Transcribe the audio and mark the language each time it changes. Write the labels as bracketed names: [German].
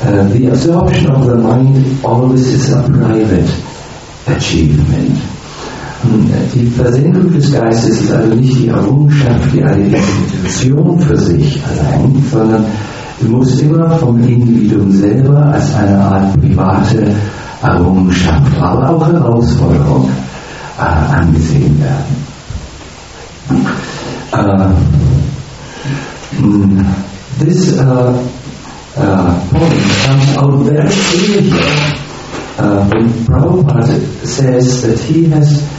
[English] The absorption of the mind always is a private achievement. [German] Die Versenkung des Geistes ist also nicht die Errungenschaft, die eine Institution für sich allein, sondern muss immer vom Individuum selber als eine Art private Errungenschaft, aber auch Herausforderung angesehen werden. [English] This point comes out very clearly when Prabhupada says that he has